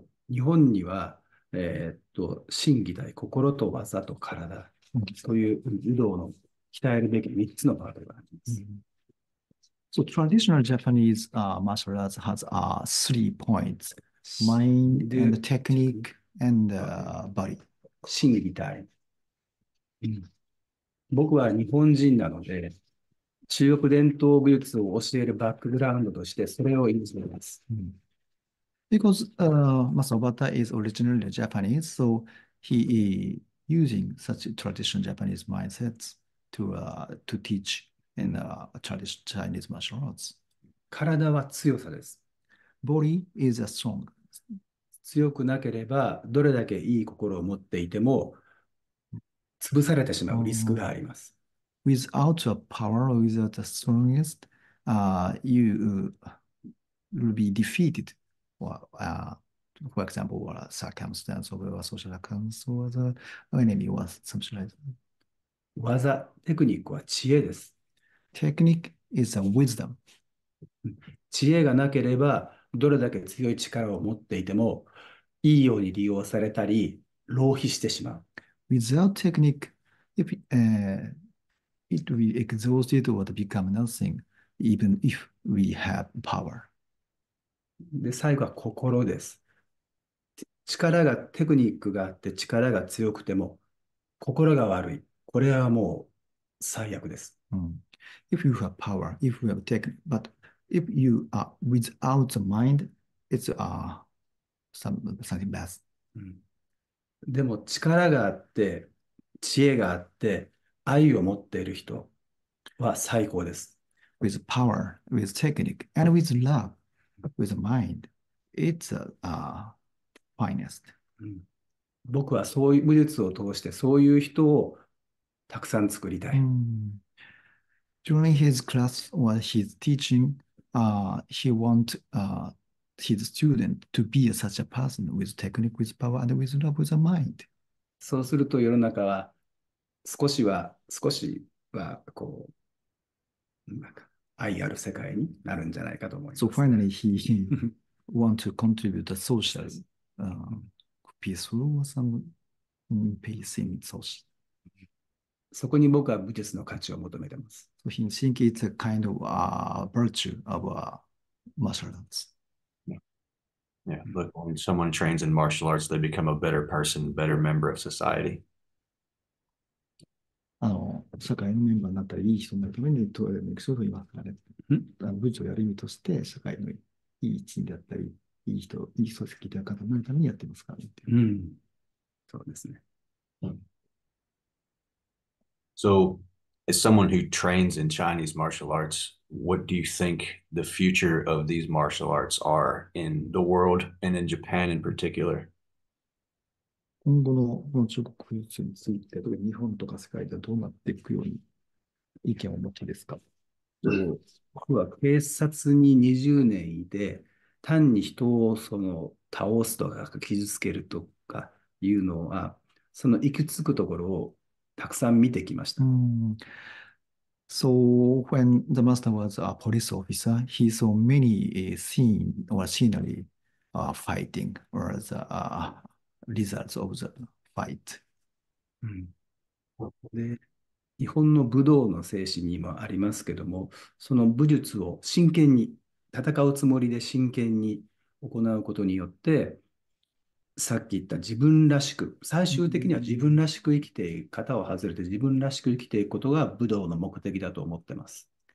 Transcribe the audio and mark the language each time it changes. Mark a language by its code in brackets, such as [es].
[ja] 日本には、心技体、心と技と体という武道の鍛えるべき3つのパートがあります。 [en] So traditional Japanese martial arts has three points: mind and technique and body. [ja] 心技体。僕は日本人なので、中国伝統武術を教えるバックグラウンドとして、それを意味します。 [en] Because Masobata is originally Japanese, so he using such traditional Japanese mindsets to teach in traditional Chinese martial arts. [ja] 体は強さです。 [en] Body is a strong. [ja] 強くなければ、どれだけいい心を持っていても、潰されてしまうリスクがあります。 [en] Without a power, without the strongest, you will be defeated. For example, a circumstance of a social accounts or the enemy or something like that. [ja] 技、テクニックは知恵です。 [en] Technique is a wisdom. [ja] 知恵がなければ、どれだけ強い力を持っていても、いいように利用されたり、浪費してしまう。 [en] Without technique, it will be exhausted or become nothing, even if we have power. [ja] で、最後は心です。力が、テクニックがあって、力が強くても、心が悪い。これはもう最悪です。 [en] If you have power, if you have technique, but if you are without the mind, it's something bad. [ja] でも力があって、知恵があって、愛を持っている人は最高です。 [en] With power, with technique, and with love, with mind, it's finest. [ja] 僕はそういう武術を通してそういう人をたくさん作りたい。 [en] During his class or his teaching, he want his student to be such a person with technique, with power, and with love, with a mind. [ja] そうすると世の中は少しはこう、なんか愛ある世界になるんじゃないかと思い [en] So [ja] ますね。 [en] finally, he want to contribute the social peaceful or some peace in social. [ja] そこに僕は武術の価値を求めてます。 [en] So he think it's a kind of virtue of martial arts. Yeah, but when someone trains in martial arts, they become a better person, better member of society. [ja] 社会のメンバーになったらいい人になるために、トレーニングすると言いますからね。部長をやる意味として、社会のいい一員であったり、いい人、いい組織であったりになるためにやってますからねっていう。そうですね。 [en] So, as someone who trains in Chinese martial arts, what do you think the future of these martial arts are in the world and in Japan in particular? [ja] 今後のこの中国武術について、特に日本とか世界ではどうなっていくように意見をお持ちですか？僕は警察に20年いて、単に人をその倒すとか傷つけるとかいうのは、その行き着くところをたくさん見てきました。 [en] So when the master was a police officer, he saw many scene or scenery fighting or the results of the fight. [ja] で、日本の武道の精神にもありますけども、その武術を真剣に、戦うつもりで真剣に行うことによって、さっき言った自分らしく、最終的には自分らしく生きていく、型を外れて自分らしく生きていくことが武道の目的だと思ってます。